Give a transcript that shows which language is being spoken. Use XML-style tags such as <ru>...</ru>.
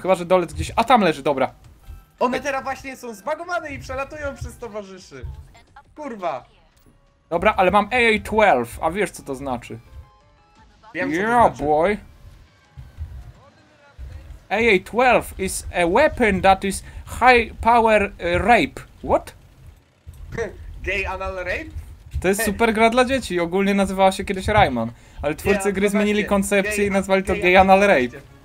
<pl>Chyba, że dolec gdzieś... A, tam leży, dobra. One teraz właśnie są zbagowane i przelatują przez towarzyszy. Kurwa. Dobra, ale mam AA-12, a wiesz co to znaczy. Wiem, co yeah, to znaczy.</pl> <en>Boy. AA-12 is a weapon that is high power rape. What? Gay anal rape?</en> <pl>To jest super gra dla dzieci, ogólnie nazywała się kiedyś Rayman. Ale twórcy gry zmienili koncepcję i nazwali to</pl> <en>gay anal rape.</en>